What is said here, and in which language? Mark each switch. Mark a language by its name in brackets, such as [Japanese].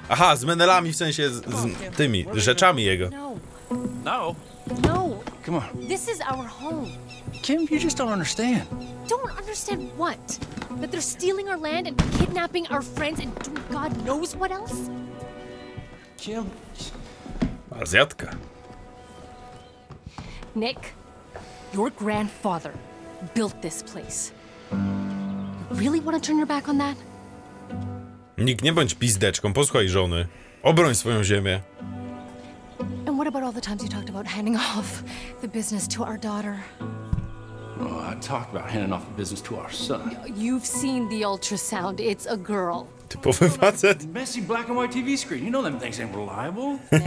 [Polish] Aha, z menelami w sensie z tymi rzeczami jego. No. No. [English] Come on. This is our home. Kim, you just don't understand. Don't understand what? That they're stealing our land and kidnapping our friends and doing God knows what else? Kim. [Polish] Azjatka. [English] Nick. Your grandfather built this place. You really want to turn your back on that? [Polish] Nick, nie bądź pizdeczką, posłuchaj żony. Obroń swoją ziemię. [English] And what about all the times you talked about handing off the business to our daughter? Oh, I talked about handing off the business to our son. You've seen the ultrasound. It's a girl. [Polish] Typowy facet. [English] Messy black and white TV screen. You know them things ain't reliable.